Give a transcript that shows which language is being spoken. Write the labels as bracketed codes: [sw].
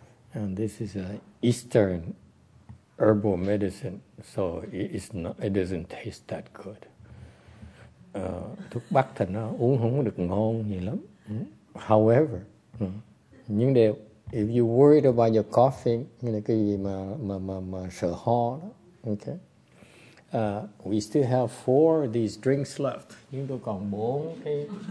[en] And this is an Eastern herbal medicine, so it doesn't taste that good. [vi] Thuốc bắc thì nó uống không được ngon gì lắm. [en] However, [vi] nhưng đều, [en] if you worried about your coughing, [vi] như là cái gì mà sợ ho đó, okay. [en] We still have four of these drinks left. [vi] Nhưng tôi còn bốn cái.